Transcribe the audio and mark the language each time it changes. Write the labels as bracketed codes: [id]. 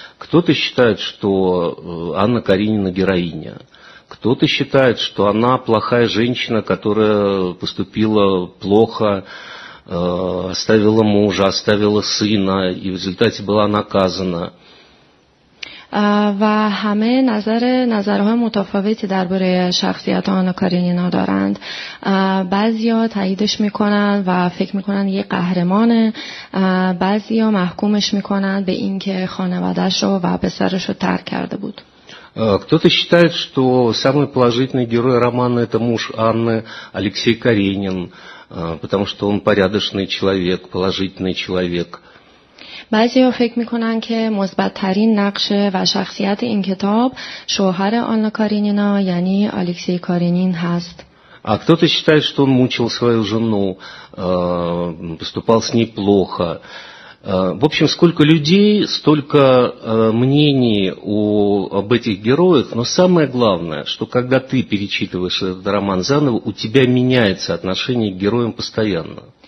[ru] Кто-то считает, что Анна Каренина героиня, кто-то считает, что она плохая женщина, которая поступила плохо, оставила мужа, оставила сына и в результате была наказана. [fa] و همه نظرهای متفاوتی درباره شخصیت آنا کارینینا دارند. بعضیا تاییدش میکنند و فکر میکنند یک قهرمانه. بعضیا محکومش میکنند به اینکه خانواده‌اش رو و پسرش رو ترک کرده بود. [ru] Кто-то считает, что самый положительный герой романа – это муж Анны, Алексей Каренин, потому что он порядочный человек, положительный человек. [fa] بعضی ها فکر میکنن که مثبت‌ترین نقش و شخصیت این کتاب شوهر آنا کارینینا یعنی الکسی کارینین هست. [ru] А кто-то считает, что он мучил свою жену, поступал с ней плохо. В общем, сколько людей, столько мнений об этих героях. Но самое главное, что когда ты перечитываешь этот роман заново, у тебя меняется отношение к героям постоянно.